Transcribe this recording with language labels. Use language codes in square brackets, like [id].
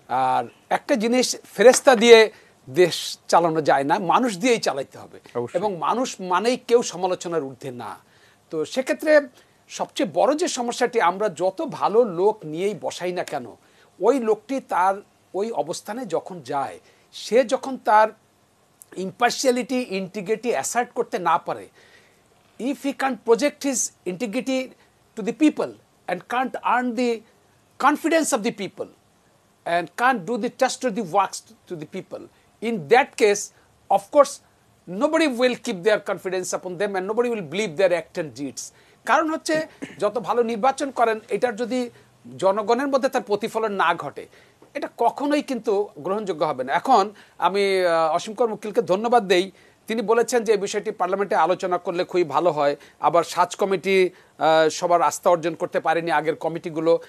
[bn] আর একটা জিনিস, ফেরেস্তা দিয়ে দেশ চালানো যায় না, মানুষ দিয়েই চালাইতে হবে, এবং মানুষ মানেই কেউ সমালোচনার ঊর্ধ্বে না। তো সেক্ষেত্রে সবচেয়ে বড় যে সমস্যাটি, আমরা যত ভালো লোক নিয়েই বসাই না কেন, ওই লোকটি তার ওই অবস্থানে যখন যায়, সে যখন তার ইম্পার্শিয়ালিটি ইন্টিগ্রিটি অ্যাসার্ট করতে না পারে, [en] if he can't project his integrity to the people and can't earn the confidence of the people and can't do the trustworthy works to the people, in that case, of course, nobody will keep their confidence upon them and nobody will believe their act and deeds. [bn] কারণ হচ্ছে যত ভালো নির্বাচন করেন এটার যদি জনগণের মধ্যে তার প্রতিফলন না ঘটে এটা কখনোই কিন্তু গ্রহণযোগ্য হবে না। এখন আমি অসীমকর মুকিলকে ধন্যবাদ দেই, তিনি বলেছেন যে এই বিষয়টি পার্লামেন্টে আলোচনা করলে খুবই ভালো হয়, আবার সার্চ কমিটি সবার আস্থা অর্জন করতে পারেনি আগের কমিটিগুলো।